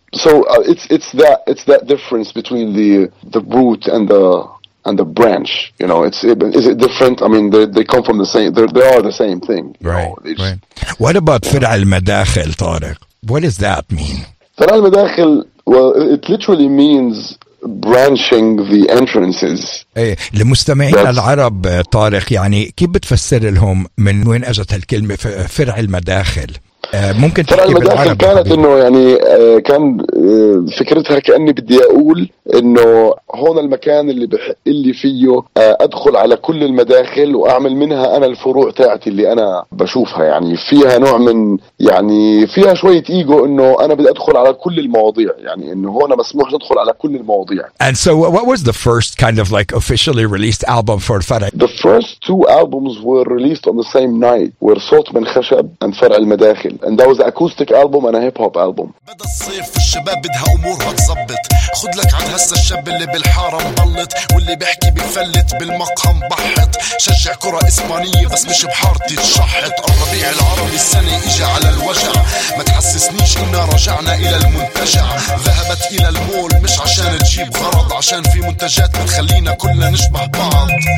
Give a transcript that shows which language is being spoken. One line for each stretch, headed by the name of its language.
English: So it's that difference between the root and the branch. You know, is it different? I mean, they come from the same. They are the same thing. Right. What about Far'i al-Madakhil, Tariq? What does that mean? Far'i al-Madakhil, well, it literally means branching the entrances.
Arabic: لمستمعين العرب طارق يعني كيف بتفسر لهم من وين اجت الكلمة فرع المداخل؟ ممكن فرع المداخل كانت انه يعني كان فكرتها كأني بدي اقول انه هون المكان اللي بحق اللي فيه ادخل على كل المداخل واعمل منها انا الفروع تاعتي اللي انا بشوفها. يعني فيها نوع من يعني فيها شوية ايجو انه انا بدي ادخل على كل المواضيع, يعني انه هون مسموح ادخل على كل المواضيع.
English: And so what was the first kind of like officially released album for Far'i? The first two albums were released on the same night, were صوت من خشب and فرع المداخل. And that was an acoustic album and a hip-hop album.
Arabic: بدا الصيف الشباب بدها أمورها تزبط, خد لك عن هسا الشاب اللي بالحارة مضلت واللي بحكي بفلت بالمقهى مبحت, شجع كرة إسبانية بس مش بحارتي تشحت, الربيع العربي السنة إجا على الوجع, ما تحسسنيش إنا رجعنا إلى المنتجع, ذهبت إلى المول مش عشان تجيب غرض, عشان في منتجات بتخلينا كلنا نشبه بعض,